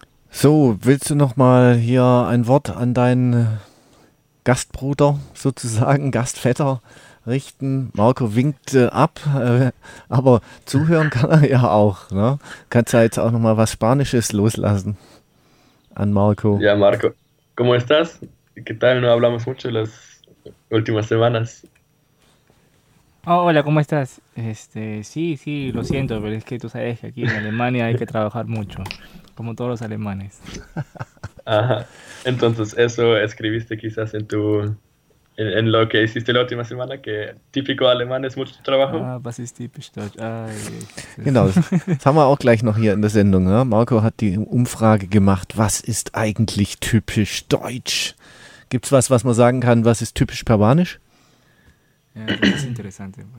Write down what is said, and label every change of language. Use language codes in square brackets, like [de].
[de] So, willst du noch mal hier ein Wort an deinen Gastbruder sozusagen, Gastvetter richten? Marco winkt ab, aber zuhören kann er ja auch, ne? Kannst ja jetzt auch noch mal was Spanisches loslassen an Marco. [es] Ja, Marco, ¿cómo estás? ¿Qué tal? No hablamos mucho las últimas semanas. Hola, ¿cómo estás? Sí, lo siento, pero es que tú sabes que aquí en Alemania hay que trabajar mucho, como todos los alemanes. Ajá, entonces eso escribiste quizás en tu en lo que hiciste la última semana, que típico alemán es mucho trabajo. [de] Ah, was ist typisch Deutsch? Ay, Genau, das haben wir auch gleich noch hier in der Sendung. Ne? Marco hat die Umfrage gemacht. Was ist eigentlich typisch deutsch? Gibt es was, was man sagen kann, was ist typisch peruanisch? Ja, das ist interessant.